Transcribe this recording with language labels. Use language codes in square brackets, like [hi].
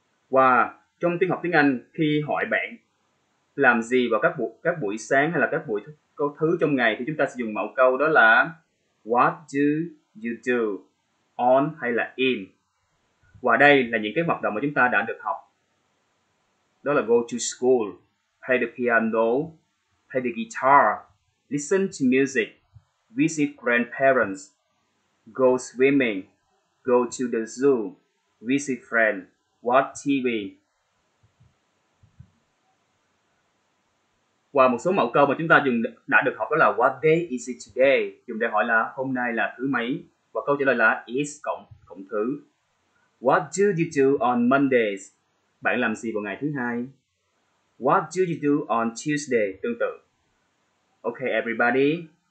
[vi] Và trong tiếng học tiếng Anh, khi hỏi bạn làm gì vào các buổi sáng hay là các buổi thứ trong ngày thì chúng ta sử dụng mẫu câu đó là [en] What do you do? [vi] On hay là in? Và đây là những cái hoạt động mà chúng ta đã được học. Đó là [en] go to school, play the piano, play the guitar, listen to music, visit grandparents, go swimming, go to the zoo, visit friends, watch TV. [vi] Và một số mẫu câu mà chúng ta dùng đã được học đó là [en] what day is it today? [vi] Dùng để hỏi là hôm nay là thứ mấy? Và câu trả lời là is cộng thứ. [en] What do you do on Mondays? [vi] Bạn làm gì vào ngày thứ hai? [en] What do you do on Tuesday? [vi] Tương tự. [en] Okay, everybody.